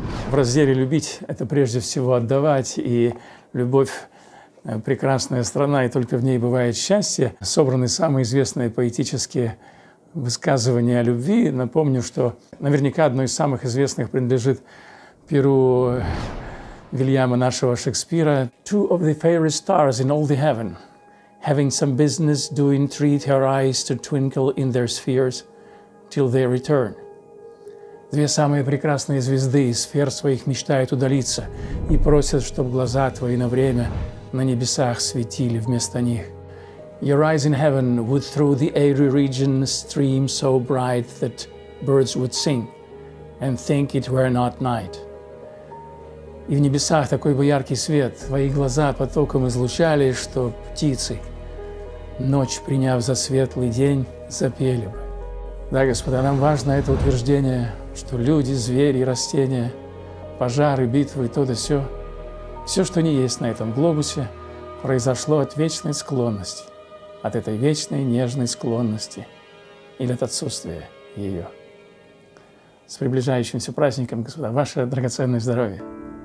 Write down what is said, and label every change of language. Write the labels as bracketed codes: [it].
[ru] В разделе «Любить» — это прежде всего отдавать, и любовь — прекрасная страна, и только в ней бывает счастье. Собраны самые известные поэтические высказывания о любви. Напомню, что наверняка одно из самых известных принадлежит перу Вильяма нашего Шекспира. [en] «Two of the fairest stars in all the heaven, having some business, do entreat her eyes to twinkle in their spheres till they return». [ru] Две самые прекрасные звезды из сфер своих мечтают удалиться и просят, чтобы глаза твои на время на небесах светили вместо них. [en] «Your eyes in heaven would through the airy region stream so bright that birds would sing and think it were not night». [ru] И в небесах такой бы яркий свет твои глаза потоком излучали, что птицы, ночь приняв за светлый день, запели бы. Да, господа, нам важно это утверждение, что люди, звери, растения, пожары, битвы, то да сё, всё, что не есть на этом глобусе, произошло от вечной склонности, от этой вечной нежной склонности или от отсутствия ее. С приближающимся праздником, господа, ваше драгоценное здоровье!